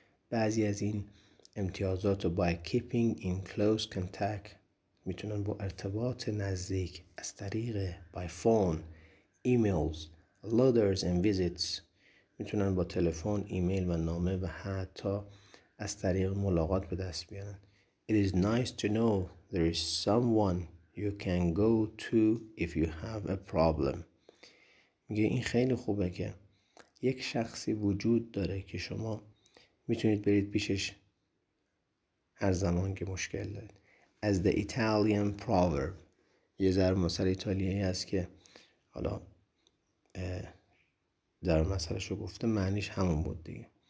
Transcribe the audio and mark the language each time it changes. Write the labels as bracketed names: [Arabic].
[Persian] بعضی از این امتیازات رو [English] by keeping in close contact [Persian] میتونن با ارتباط نزدیک از طریق [English] by phone, emails, letters and visits [Persian] میتونن با تلفن، ایمیل و نامه و حتی از طریق ملاقات به دست بیانن. [English] It is nice to know there is someone you can go to if you have a problem. [Persian] میگه این خیلی خوبه که یک شخصی وجود داره که شما میتونید برید پیشش هر زمان که مشکل دارید. [English] As the Italian proverb. [Persian] یه ضرب مثل ایتالیایی هست که حالا در مثلش رو گفته معنیش همون بود دیگه.